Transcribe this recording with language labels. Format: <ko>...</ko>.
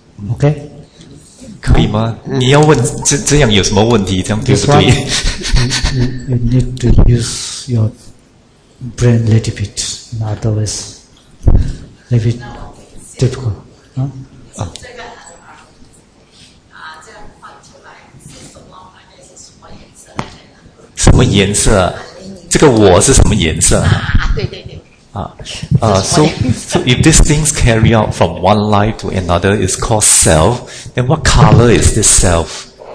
<en>OK，</en> <zh>可以吗？你要问这样有什么问题？这样对不对</zh> <en>you need to use your brain a little bit, otherwise a little bit difficult.</en> <zh>这个很好，这样换出来是什么颜色？什么颜色？这个我是什么颜色？对对对。</zh> <en>So if these things carry out from one life to another, it's called self, then what color is this self?</en>